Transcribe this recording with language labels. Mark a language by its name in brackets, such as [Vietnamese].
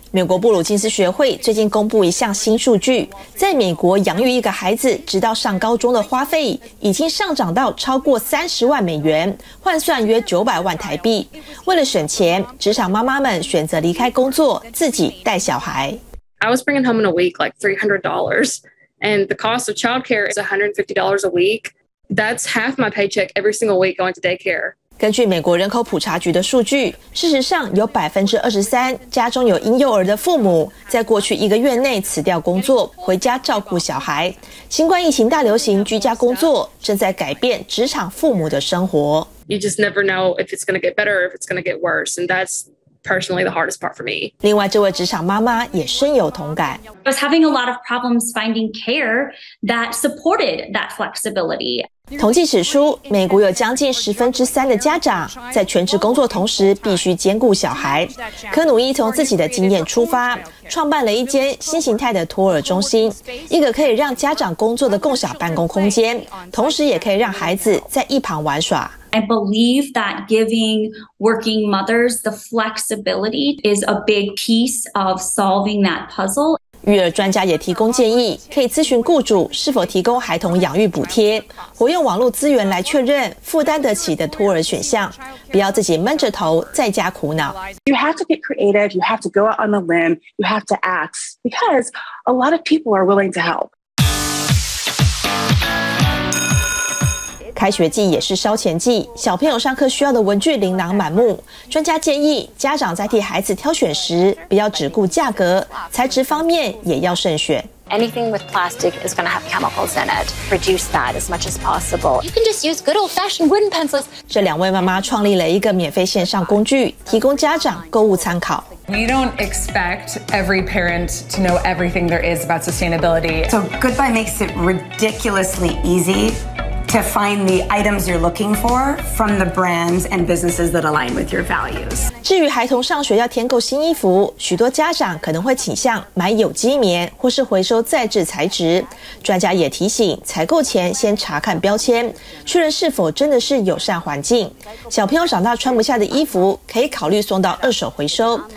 [Chinese] 美国布鲁金斯学会最近公布一项新数据，在美国养育一个孩子直到上高中的花费已经上涨到超过30万美元，换算约900万台币。为了省钱，职场妈妈们选择离开工作，自己带小孩。 [English] I was bringing home in a week like $300. And the cost of childcare is $150 a week. That's half my paycheck every single week going to daycare. [Chinese] 根据美国人口普查局的数据，事实上有23%家中有婴幼儿的父母，在过去一个月内辞掉工作，回家照顾小孩。新冠疫情大流行，居家工作正在改变职场父母的生活。 [English] You just never know if it's going to get better or if it's going to get worse, and that's. Personally, the hardest part for me. [Chinese] 另外，这位职场妈妈也深有同感。 [English] I was having a lot of problems finding care that supported that flexibility. [Chinese] 统计指出，美国有将近1/3的家长在全职工作同时必须兼顾小孩。柯努伊从自己的经验出发，创办了一间新形态的托儿中心，一个可以让家长工作的共享办公空间，同时也可以让孩子在一旁玩耍。 [English] I believe that giving working mothers the flexibility is a big piece of solving that puzzle. [Chinese] 育儿专家也提供建议，可以咨询雇主是否提供孩童养育补贴，活用网络资源来确认负担得起的托儿选项，不要自己闷着头在家苦恼。 [English] You have to get creative, you have to go out on a limb, you have to ask, because a lot of people are willing to help. [Chinese] 开学季也是烧钱季，小朋友上课需要的文具琳琅满目。专家建议家长在替孩子挑选时，不要只顾价格，材质方面也要慎选。 [English] Anything with plastic is going to have chemicals in it. Reduce that as much as possible. You can just use good old-fashioned wooden pencils. [Chinese] 这两位妈妈创立了一个免费线上工具，提供家长购物参考。 [English] We don't expect every parent to know everything there is about sustainability. So Goodbye makes it ridiculously easy. To find the items you're looking for from the brands and businesses that align with your values. [Chinese] 至于孩童上学要添购新衣服，许多家长可能会倾向买有机棉或是回收再制材质。专家也提醒，采购前先查看标签，确认是否真的是友善环境。小朋友长大穿不下的衣服，可以考虑送到二手回收。